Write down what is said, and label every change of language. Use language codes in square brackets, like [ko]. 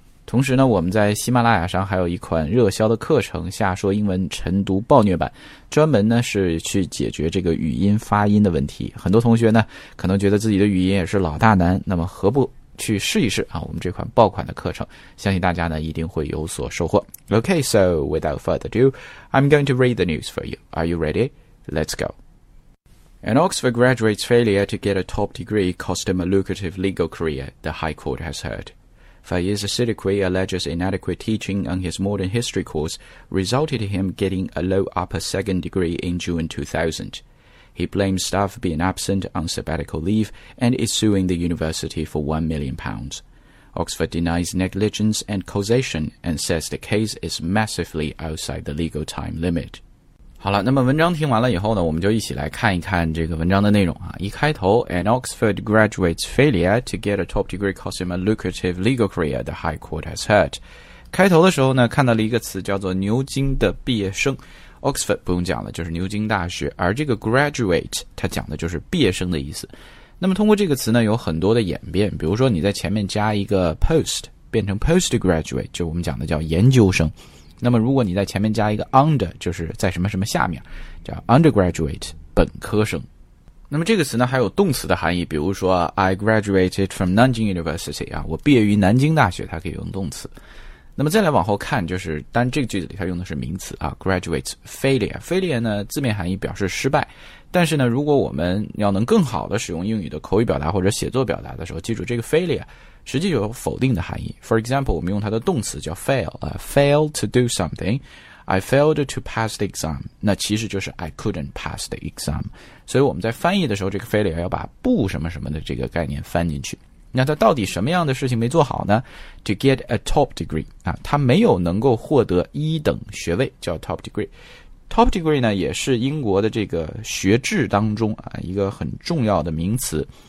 [zh] 同时呢，我们在喜马拉雅上还有一款热销的课程，下说英文晨读暴虐版，专门呢是去解决这个语音发音的问题。很多同学呢可能觉得自己的语音也是老大难，那么何不去试一试啊，我们这款爆款的课程，相信大家呢一定会有所收获。 [en] OK, so without further ado, I'm going to read the news for you. Are you ready? Let's go. An Oxford graduate's failure to get a top degree cost him a lucrative legal career, the High Court has heard. Faiz Siddiqui alleges inadequate teaching on his modern history course resulted in him getting a low upper second degree in June 2000. He blames staff being absent on sabbatical leave and is suing the university for £1 million. Oxford denies negligence and causation and says the case is massively outside the legal time limit. [zh] 好了，那么文章听完了以后呢，我们就一起来看一看这个文章的内容啊。一开头 [en] ,An Oxford graduate's failure to get a top degree cost him a lucrative legal career, the High Court has heard. [zh] 开头的时候呢，看到了一个词叫做牛津的毕业生。 Oxford 不用讲了，就是牛津大学。而这个 graduate, 它讲的就是毕业生的意思。那么通过这个词呢，有很多的演变。比如说你在前面加一个 post, 变成 postgraduate, 就我们讲的叫研究生。那么如果你在前面加一个 under, 就是在什么什么下面，叫 undergraduate, 本科生。那么这个词呢还有动词的含义，比如说 [en] I graduated from [zh] 南京 university, 啊，我毕业于南京大学，它可以用动词。那么再来往后看，就是当这个句子里它用的是名词啊， graduate failure。 failure 呢字面含义表示失败。但是呢如果我们要能更好的使用英语的口语表达或者写作表达的时候，记住这个 failure,实际有否定的含义。 [en] For example, [zh] 我们用它的动词叫 fail, [en] fail to do something. I failed to pass the exam. [zh] 那其实就是 [en] I couldn't pass the exam. [zh] 所以我们在翻译的时候，这个 failure 要把不什么什么的这个概念翻进去。那它到底什么样的事情没做好呢？ [en] To get a top degree. [zh] 啊，它没有能够获得一等学位，叫 top degree。 Top degree 呢，也是英国的这个学制当中啊，一个很重要的名词。